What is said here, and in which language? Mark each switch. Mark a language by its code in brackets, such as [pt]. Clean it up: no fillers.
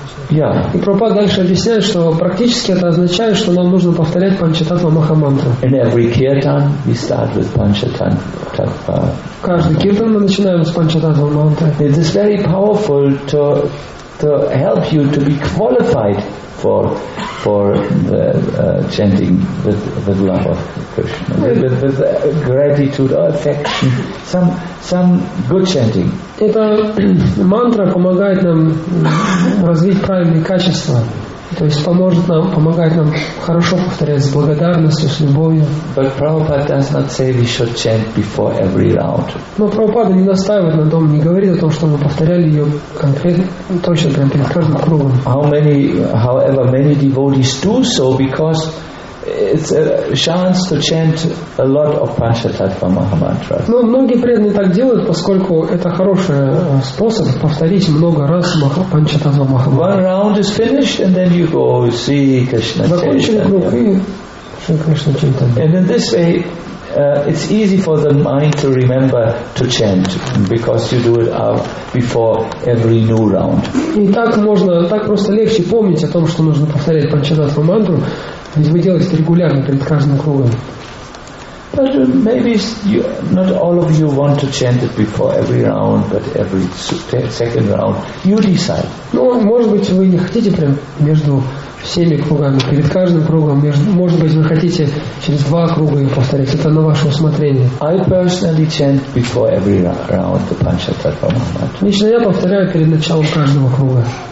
[ru] И Прабхупада дальше объясняет, что практически это означает, что нам нужно повторять Панчататва Махамантру. Каждый киртан мы начинаем с Панчататва Мантры. [en] It is very powerful to help you to be qualified for the chanting with love of Krishna, with gratitude or affection, some good chanting. [ru] Эта мантра помогает нам развить правильные качества, то есть помогает нам хорошо повторять с благодарностью, с любовью. [en] But Prabhupada does not say we should chant before every round. [ru] Но Прабхупада не настаивает на том, не говорит о том, что мы повторяли ее конкретно, точно прямо перед каждым кругом. [en] However many devotees do so because it's a chance to chant a lot of Panchatattva Mahamantra. [ru] Но многие преданные так делают, поскольку это хороший способ повторить много раз Панчататтва Махамантра. [en] One round is finished and then you go see Krishna. [ru] Закончили круг и Шри Кришна Чайтанья. [en] And in this way, it's easy for the mind to remember to chant because you do it before every new round. [ru] И так просто легче помнить о том, что нужно повторять Панчататтва Мантру. Ведь вы делаете это регулярно перед каждым кругом. [en] But maybe you, not all of you want to chant it before every round, but every second round. You decide. [ru] Ну, может быть, вы не хотите прям между всеми кругами, перед каждым кругом, может быть, вы хотите через два круга и повторять. Это на ваше усмотрение. [en] I personally chant before every round the Panchatattva Mahamantra. [ru] Лично я повторяю перед началом каждого круга.